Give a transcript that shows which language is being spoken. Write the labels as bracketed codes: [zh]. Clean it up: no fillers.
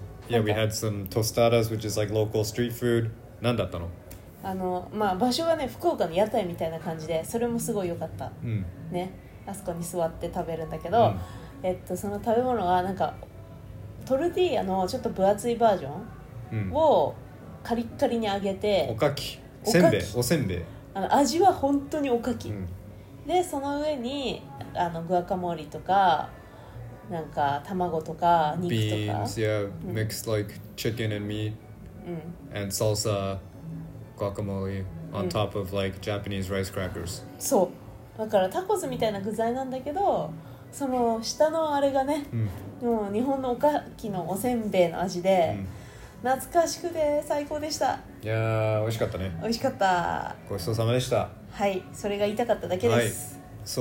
[en] We had some tostadas, which is like local street food. [ja] 何だったの？場所はね、福岡の屋台みたいな感じで、それもすごい良かった。ね、あそこに座って食べるんだけど、その食べ物はなんかトルティーヤのちょっと分厚いバージョンを、カリッカリに揚げて、おかき、せんべい、おせんべい、味は本当におかき、でその上にグアカモリとかなんか卵とか肉とか、 [en] beans, yeah, mixed like chicken and meat, and salsa, guacamole on top of like Japanese rice crackers. [ja] そう、だからタコスみたいな具材なんだけど、その下のあれがね、もう日本のおかきのおせんべいの味で。懐かしくて最高でした。いやー、美味しかったね。美味しかった。ごちそうさまでした。はい、それが言いたかっただけです。